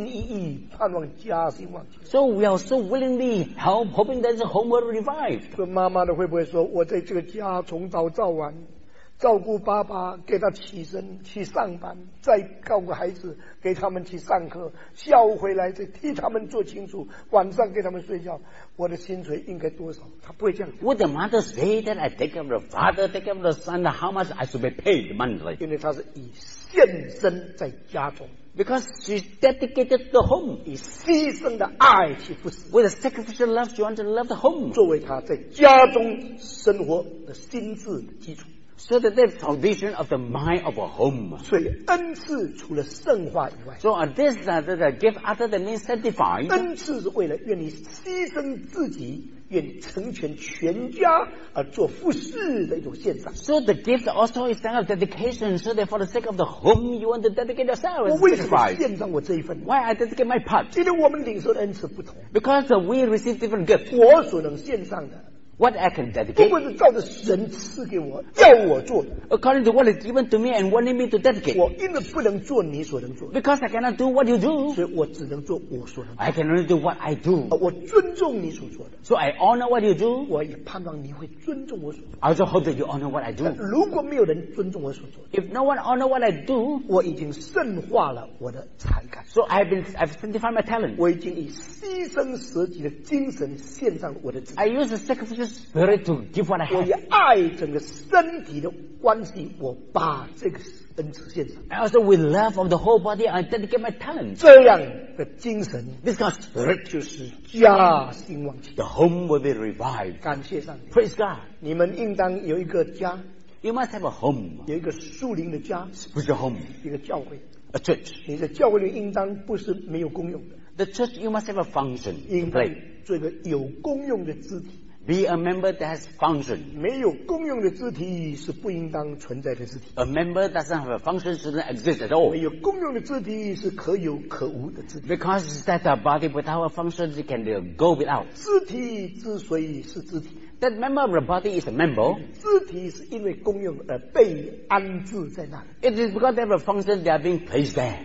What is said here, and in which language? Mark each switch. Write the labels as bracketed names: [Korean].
[Chinese] 所以我们就愿意一心一意盼望家兴旺起来, [English] so we are so willingly help, hoping that the home will revive. [Chinese] 妈妈的会不会说, 我在这个家从早到晚, 照顾爸爸, 给他起身, 去上班, 再照顾孩子, 给他们去上课, 下午回来, 再替他们做清楚, 晚上给他们睡觉, 我的薪水应该多少? 他不会这样, [English] would the mother say that I take care of the father, take care of the son, how much I should be paid monthly? [Chinese] 因为他是以献身在家中, [English] because she's dedicated the home, [Chinese] 以牺牲的爱去服侍, [English] with a sacrificial love, she wants to love the home, [Chinese] 作为他在家中生活的心智基础, [English] so that the foundation of the mind of a home. [Chinese] 所以恩赐除了圣化以外, [English] so this is the gift other than being sanctified. [Chinese] 恩赐是为了愿意牺牲自己, 愿成全全家而做服侍的一种献上, [English] so the gift also is kind of dedication, so that for the sake of the home you want to dedicate yourself. [Chinese] 我为什么献上我这一份? [English] Why I dedicate my part? [Chinese] 因为我们领受的恩赐不同, [English] because we receive different gifts. [Chinese] 我所能献上的, [English] What I can dedicate. [Chinese] 不管是照着神赐给我, 要我做的, [English] according to what is given to me and wanting me to dedicate. Because I cannot do what you do. [Chinese] 所以我只能做我所能做的, [English] I can only do what I do. [Chinese] 我尊重你所做的, [English] so I honor what you do. [Chinese] 我也盼望你会尊重我所做的, [English] I also hope that you honor what I do. [Chinese] 如果没有人尊重我所做的, [English] if no one honor what I do, [Chinese] 我已经圣化了我的才干, [English] so I've sanctified my talent. [Chinese] 我已经以牺牲舍己的精神献上我的自己, [English] I use the sacrifice spirit to give what I have. [Chinese] 我以爱整个身体的关系, 我把这个恩赐献上, [English] also with love of the whole body I dedicate my talent. [Chinese] 这样的精神, [English] this kind of spirit, [Chinese] 就是家兴旺起, [English] the home will be revived. [Chinese] 感谢上帝, [English] praise God. [Chinese] 你们应当有一个家, [English] you must have a home, [Chinese] 有一个树林的家, [English] spiritual home, [Chinese] 一个教会, [English] a church. [Chinese] 你的教会里应当不是没有功用的, [English] the church you must have a function to play. [Chinese] 应当做一个有功用的肢体, [English] be a member that has function. [Chinese] 没有功用的肢体是不应当存在的肢体, [English] a member that doesn't have a function shouldn't exist at all. [Chinese] 没有功用的肢体是可有可无的肢体, [English] because that a body without a function it can go without. [Chinese] 肢体之所以是肢体, [English] that member of the body is a member. [Chinese] 肢体是因为功用而被安置在那里, [English] it is because they have a function, they are being placed there.